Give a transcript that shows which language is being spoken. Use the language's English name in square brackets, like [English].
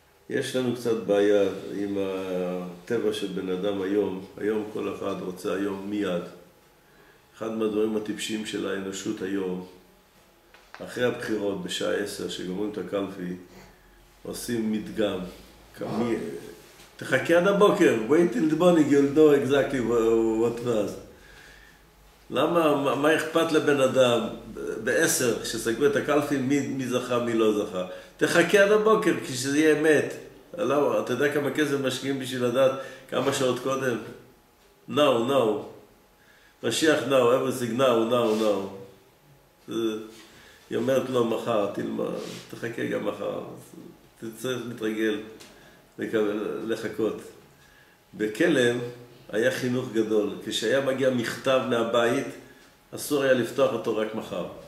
[Hebrew] יש לנו קצת בעיה עם הטבע של בן אדם היום. היום כל אחד רוצה היום מיד. אחד מהדברים הטיפשים של האנושות היום, אחרי הבחירות בשעה 10 שגומרים את הקלפי, עושים מדגם. תחכה עד הבוקר, [English] wait till the morning, you'll know exactly what was. [Hebrew] למה, מה אכפת לבן אדם בעשר, כשסגרו את הקלפי, מי זכה, מי לא זכה? תחכה עד הבוקר, כשזה יהיה אמת. למה, אתה יודע כמה כסף משקיעים בשביל לדעת כמה שעות קודם? [English] No, no. משיח, no, everything, no, no, no. [Hebrew] היא אומרת לו, מחר, תחכה גם מחר. תצטרך להתרגל, לחכות. בכלם, היה חינוך גדול. כשהיה מגיע מכתב מהבית, אסור היה לפתוח אותו רק מחר.